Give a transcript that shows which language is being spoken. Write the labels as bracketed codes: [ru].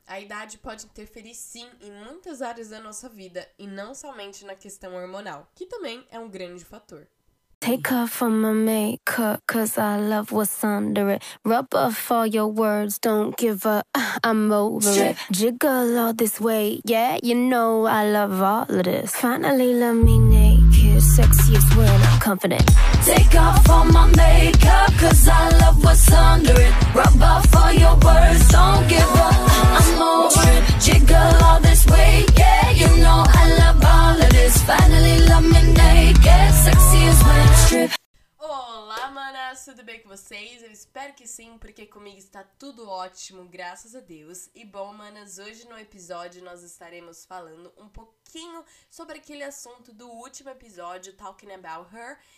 [pt] A idade pode interferir sim em muitas áreas da nossa vida e não somente na questão hormonal, que também é um grande fator. [en] Take off all my makeup, cause I love what's under it. Rub off all your words, don't give a, I'm over it. Jiggle all this way, yeah, you know I love all of this. Finally love me naked, sexiest when I'm confident. Take off all my makeup, cause I love what's under it. Rub off all your words, don't give a, I'm over it. Jiggle all this way, yeah, you know I love all of this. Finally love me naked, sexiest when I'm strip. [pt] Olá, manas, tudo bem com vocês? Eu espero que sim, porque comigo está tudo ótimo, graças a Deus. E bom, manas, hoje no episódio nós estaremos falando um pouquinho sobre aquele assunto do último episódio, Talking About Her.